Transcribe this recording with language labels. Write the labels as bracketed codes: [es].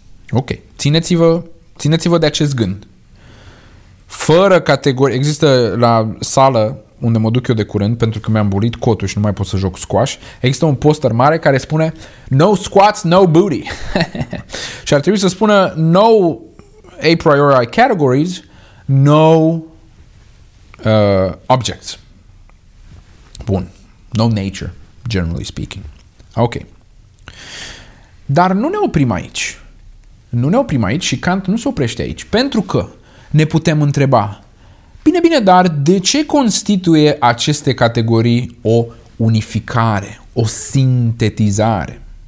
[ro] Ok, țineți-vă de acest gând. Fără categorii, există la sală unde mă duc eu de curând, pentru că mi-am bulit cotul și nu mai pot să joc squash, există un poster mare care spune [en] "No squats, no booty." [ro] Și ar trebui să spună [en] "No a priori categories, no objects." [ro] Bun. [en] No nature, generally speaking. [ro] Ok. Dar nu ne oprim aici. Nu ne oprim aici și Kant nu se oprește aici. Pentru că ne putem întreba, bine, bine, dar de ce constituie aceste categorii o unificare, o sintetizare?